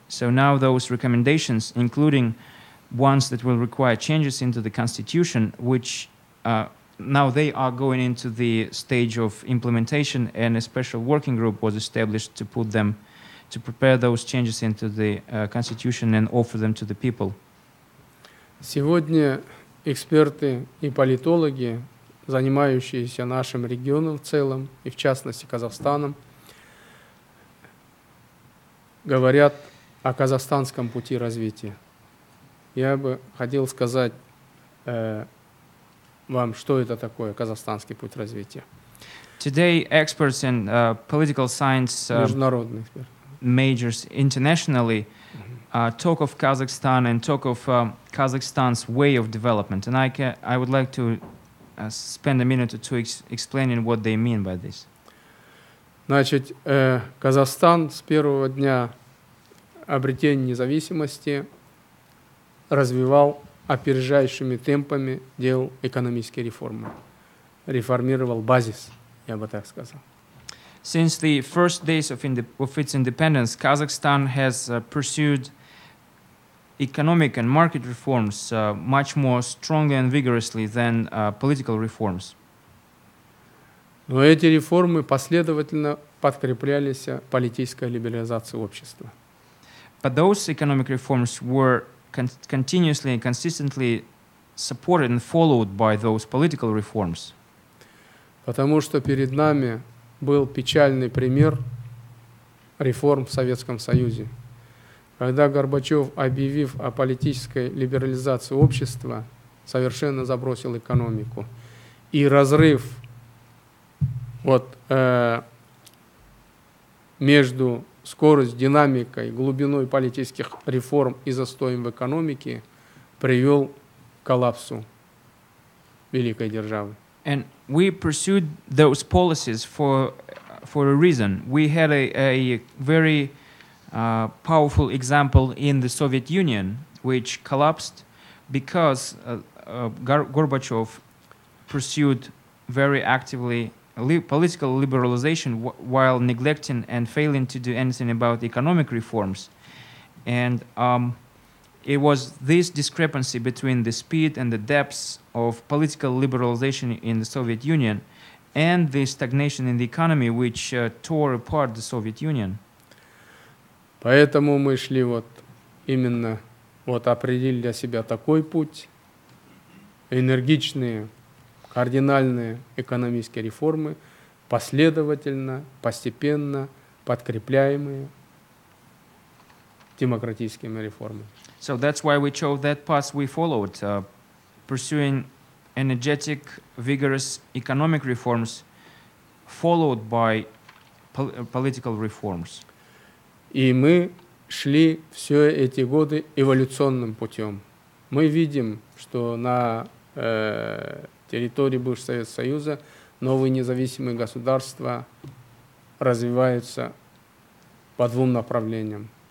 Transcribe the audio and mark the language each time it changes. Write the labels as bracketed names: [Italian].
[English] So now those recommendations, including ones that will require changes into the constitution, which now they are going into the stage of implementation, and a special working group was established to put them, to prepare those changes into the constitution and offer them to the people. [Russian] Сегодня эксперты и политологи, занимающиеся нашим регионом в целом и в частности Казахстаном, говорят о казахстанском пути развития. Я бы хотел сказать вам, что это такое казахстанский путь развития. [English] Today experts in political science, [Russian] международные эксперты, [English] majors internationally talk of Kazakhstan and talk of Kazakhstan's way of development. And I would like to spend a minute or two explaining what they mean by this. [Russian] Значит, Казахстан с первого дня обретения независимости развивал опережающими темпами делал экономические реформы. Реформировал базис, я бы так сказал. [English] Since the first days of its independence, Kazakhstan has pursued economic and market reforms much more strongly and vigorously than political reforms. [Russian] Но эти реформы последовательно подкреплялись политической либерализацией общества. [English] But those economic reforms were continuously and consistently supported and followed by those political reforms. [Russian] Потому что перед нами был печальный пример реформ в Советском Союзе. Когда Горбачев, объявив о политической либерализации общества, совершенно забросил экономику. И разрыв вот, между скоростью, динамикой, глубиной политических реформ и застоем в экономике привел к коллапсу великой державы. [English] And we pursued those policies for a reason. We had a very powerful example in the Soviet Union, which collapsed because Gorbachev pursued very actively political liberalization while neglecting and failing to do anything about economic reforms. And it was this discrepancy between the speed and the depths of political liberalization in the Soviet Union and the stagnation in the economy which tore apart the Soviet Union. [Russian] Поэтому мы шли вот именно, вот определили для себя такой путь, энергичные, кардинальные экономические реформы, последовательно, постепенно подкрепляемые демократическими реформами. [English] So that's why we chose that path we followed, pursuing energetic, vigorous economic reforms, followed by political reforms. [Russian] И мы шли все эти годы эволюционным путем. Мы видим, что на территории бывшего Советского Союза новые независимые государства развиваются по двум направлениям.